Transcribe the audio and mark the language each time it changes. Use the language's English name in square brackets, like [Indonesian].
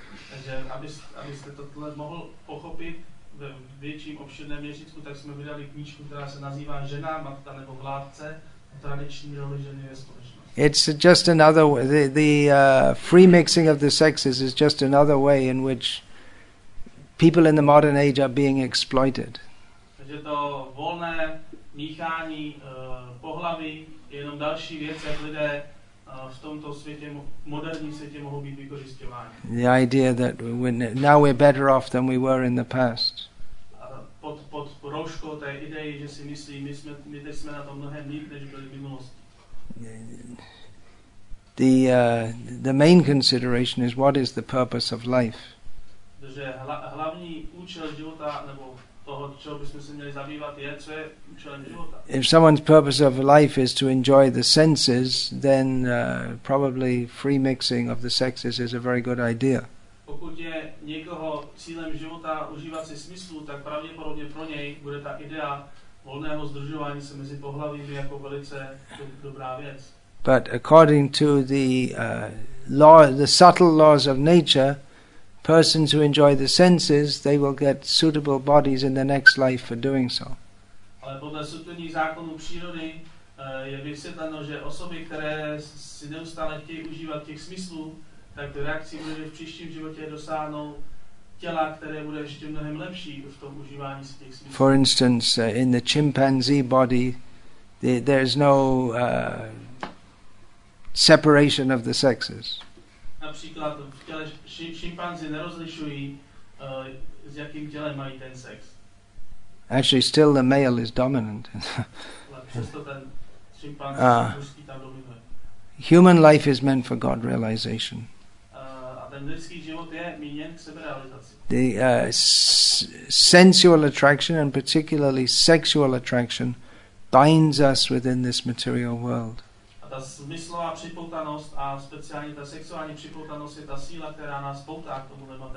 [Czech] Takže abyste tohle mohl pochopit ve větším obširném měřítku, tak jsme vydali knížku, která se nazývá Žena, matka nebo vládce, tradiční roli ženy ve společnosti. [English] It's just another free mixing of the sexes is just another way in which people in the modern age are being exploited. [Czech] Takže to volné míchání pohlaví je jenom další věc, jak lidé v tomto světě, moderním světě, mohou být vykořisťováni. [English] The idea that now we're better off than we were in the past. [Czech] Pod rouškou té idei, že si myslí, my teď jsme na tom mnohem líp, než byli v minulosti. [English] The main consideration is what is the purpose of life. [Czech] Takže hlavní účel života nebo toho, čeho bychom se měli zabývat, je, co je účelem života. [English] If someone's purpose of life is to enjoy the senses, then probably free mixing of the sexes is a very good idea. [Czech] Pokud je někoho cílem života užívat si smyslu, tak pravděpodobně pro něj bude ta idea volného sdružování se mezi pohlavími jako velice dobrá věc. [English] But according to the the subtle laws of nature, persons who enjoy the senses, they will get suitable bodies in the next life for doing so. [Czech] Ale podle subtilních zákonů přírody je vysvětleno, že osoby, které si neustále chtějí užívat těch smyslů, tak reakcí bude v příštím životě dosáhnout těla, které bude ještě mnohem lepší v tom užívání si těch smyslů. [English] For instance, in the chimpanzee body, there is no separation of the sexes. [Czech] Například v těle šimpanzi nerozlišují, s jakým tělem mají ten sex. [English] Actually, still the male is dominant. [Czech] Ale přesto ten šimpanz mužský tam dominuje. [English] Human life is meant for God realization. [Czech] A ten lidský život je míněn k seberealizaci. [English] The sensual attraction and particularly sexual attraction binds us within this material world. [Czech] Ta smyslová připoutanost a speciálně ta sexuální připoutanost je ta síla, která nás poutá k tomu materiálu.